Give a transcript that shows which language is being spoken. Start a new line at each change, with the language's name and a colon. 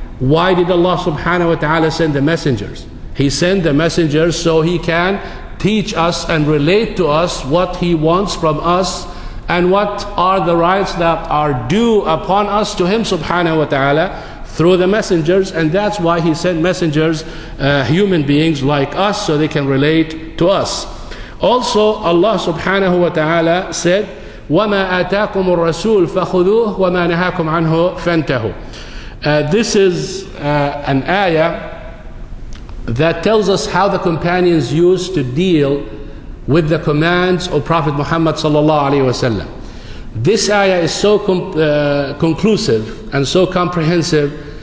English: Why did Allah subhanahu wa ta'ala send the messengers? He sent the messengers so he can teach us and relate to us what he wants from us and what are the rights that are due upon us to him subhanahu wa ta'ala through the messengers. And that's why he sent messengers, human beings like us, so they can relate to us. Also, Allah subhanahu wa ta'ala said,
Arabic: وَمَا أَتَاكُمُ الرَّسُولُ فَخُذُوهُ وَمَا نَهَاكُمْ عَنْهُ فَانْتَهُ.
English: This is an ayah that tells us how the companions used to deal with the commands of Prophet Muhammad sallallahu alaihi wasallam. This ayah is so conclusive and so comprehensive.